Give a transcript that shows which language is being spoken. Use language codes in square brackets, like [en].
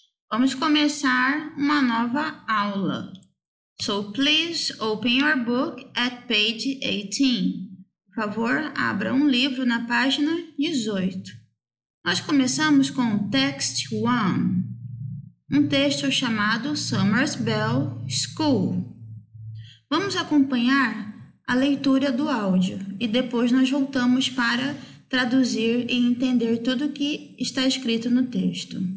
[pt] Vamos começar uma nova aula. [en] So please open your book at page 18. [pt] Por favor, abra um livro na página 18. Nós começamos com o text 1. Um texto chamado Summer's Bell School. Vamos acompanhar a leitura do áudio e depois nós voltamos para traduzir e entender tudo o que está escrito no texto.